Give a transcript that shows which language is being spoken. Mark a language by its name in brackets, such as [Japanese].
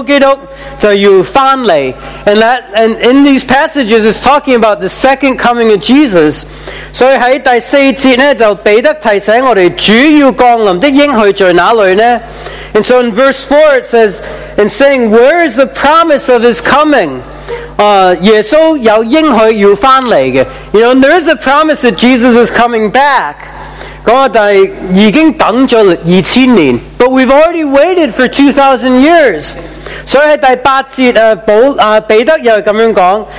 [Cantonese] 当中我们睇咗耶稣基督就要翻嚟。 [English] And in these passages it's talking about the second coming of Jesus. [Cantonese] 所以喺第四节呢就彼得提醒我们主要降临的应许在哪里呢？ [English] And so in verse 4 it says, and saying, where is the promise of his coming? [Cantonese] 耶稣有应许要回来的。 [English] You know, and there is a promise that Jesus is coming back. [Cantonese] 但已经等了2000年, [English] but we've already waited for 2,000 years. [Cantonese] 所以在第八节,彼得又这样讲。